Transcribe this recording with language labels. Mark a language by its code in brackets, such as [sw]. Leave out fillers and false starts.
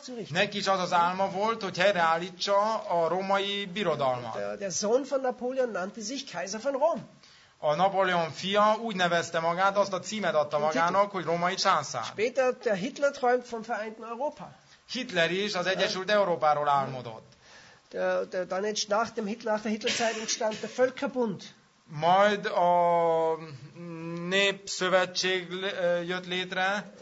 [hu] Neki is az az álma volt, hogy helyreállítsa a római birodalmat. [de] Der Sohn von Napoleon nannte sich Kaiser von Rom. [hu] A Napóleon fia úgy nevezte magát, azt a címet adta magának, hogy római császár. [de] Später der Hitler träumt vom vereinten Europa. [hu] Hitler is az Egyesült Európáról álmodott. [de] Nach der Hitlerzeit entstand der Völkerbund. [hu] Majd a népszövetség jött létre.